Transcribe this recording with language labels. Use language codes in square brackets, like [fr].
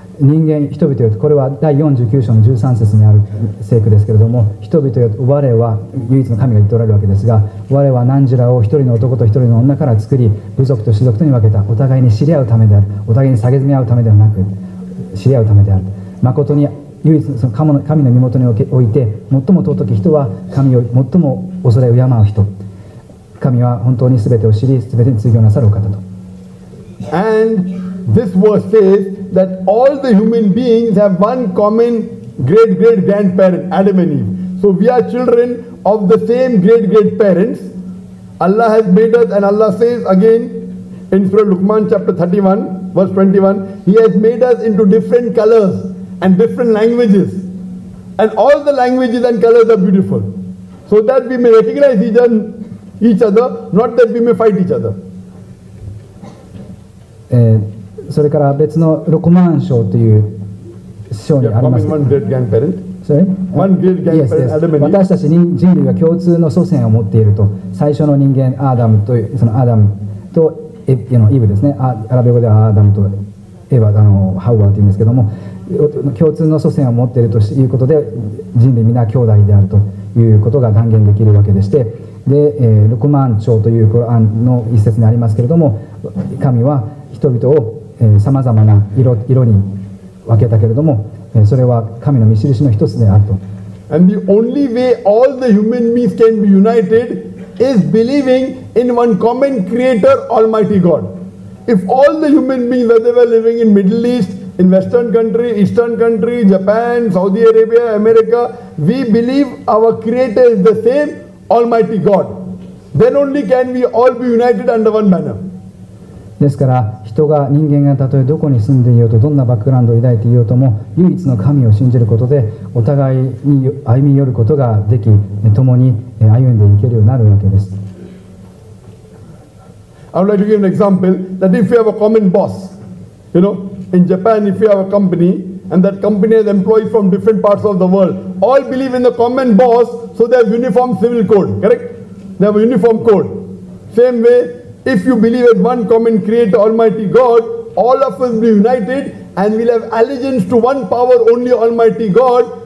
[ja] 人間人々よ、これは第49章の13節にある聖句ですけれども、人々よ、我は唯一の神が言っておられるわけですが、我は何じらを一人の男と一人の女から作り、部族と種族とに分けた。お互いに知り合うためである、お互いに蔑み合うためではなく知り合うためである。誠に唯一のその神の身元において最も尊き人は神を最も恐れ敬う人、神は本当に全てを知り全てに通行なさるお方と。 [en] And this was saidThat all the human beings have one common great great grandparent, Adam and Eve. So we are children of the same great great parents. Allah has made us, and Allah says again in Surah Luqman chapter 31, verse 21, He has made us into different colors and different languages. And all the languages and colors are beautiful. So that we may recognize each other, not that we may fight each other. And. [ja] それから別のロコマン賞という賞にあります。私たち人類が共通の祖先を持っていると、最初の人間アーダムというそのアダムとイブですね、アラビア語ではアーダムとエヴァ、ハウアというんですけども、共通の祖先を持っているということで人類皆兄弟であるということが断言できるわけでして、で、ロコマン賞というコランの一節にありますけれども、神は人々をさまざまな 色に分けたけれども、それは神の見印の一つであると。 [en] And the only way all the human beings can be united is believing in one common creator, Almighty God. If all the human beings, whether they were living in Middle East, in Western country, Eastern country, Japan, Saudi Arabia, America, we believe our creator is the same, Almighty God, then only can we all be united under one banner. [ja] ですから、人間がたとえどこに住んでいようと、どんなバックグラウンドを抱いていようとも、唯一の神を信じることで、お互いに歩み寄ることができ、共に歩んでいけるようになるわけです。 [en] I would like to give an example that if you have a common boss, you know, in Japan, if you have a company, and that company has employees from different parts of the world, all believe in the common boss, so they have uniform civil code, correct? They have a uniform code. Same way,If you believe in one common creator, Almighty God, all of us will be united and we'll have allegiance to one power, only Almighty God.